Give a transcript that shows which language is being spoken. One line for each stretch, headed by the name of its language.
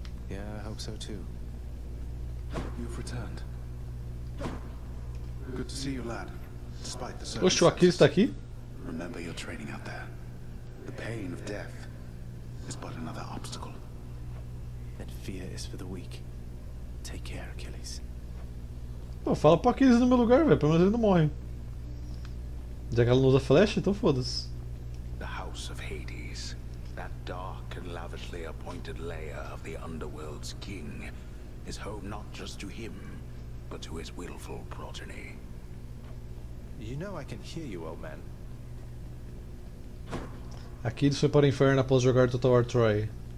English: Yeah, I hope so too. You've returned. Good to see you, lad. Despite the
Portuguese: circumstances. Oxe, o Aquiles tá aqui?
English: Remember your training out there. The pain of death is but another obstacle. And fear is for the weak. Take care, Achilles.
Portuguese: Pô, fala pro Aquiles no meu lugar, velho. Pelo menos ele não morre. Já que ela não usa flash, então foda-se.
English: The House of Hades. That dark and lavishly appointed lair of the Underworld's king. His home not just to him, but to his willful progeny. You know I can hear you, old man.
Portuguese: Aquiles foi para o inferno após jogar Total War Troy.